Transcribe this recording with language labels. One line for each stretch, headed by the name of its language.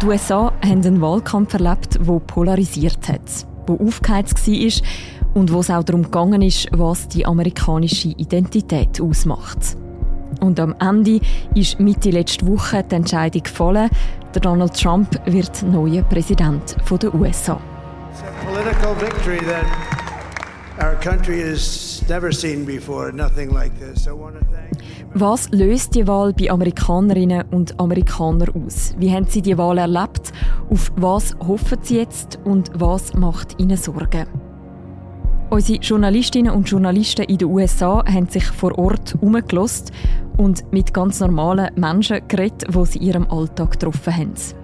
German: Die USA haben einen Wahlkampf erlebt, der polarisiert hat, der aufgeheizt war und wo es auch darum gegangen ist, was die amerikanische Identität ausmacht. Und am Ende ist Mitte letzte Woche die Entscheidung gefallen, der Donald Trump wird neuer Präsident der USA.
English: It's a political victory that our country has never seen before, nothing like this. I want to thank
German: Was löst die Wahl bei Amerikanerinnen und Amerikanern aus? Wie haben sie die Wahl erlebt? Auf was hoffen sie jetzt und was macht ihnen Sorgen? Unsere Journalistinnen und Journalisten in den USA haben sich vor Ort umgelost und mit ganz normalen Menschen geredet, die sie in ihrem Alltag getroffen haben.